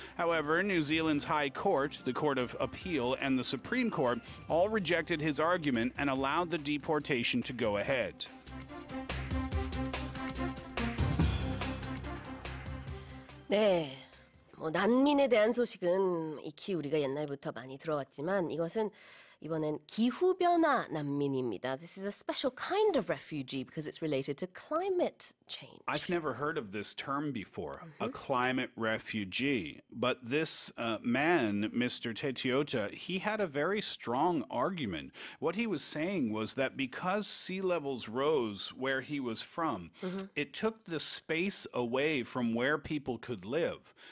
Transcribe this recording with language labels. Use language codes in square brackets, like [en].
[en] However, New Zealand's High Court, the Court of Appeal, and the Supreme Court all rejected his argument and allowed the deportation to go ahead. [ko] 네, 뭐 난민에 대한 소식은 익히 우리가 옛날부터 많이 들어왔지만 이것은 이번엔 기후변화 난민입니다. [en] This is a special kind of refugee because it's related to climate change. I've never heard of this term before, a climate refugee. But this man, Mr. Tetiota, he had a very strong argument. What he was saying was that because sea levels rose where he was from, it took the space away from where people could live.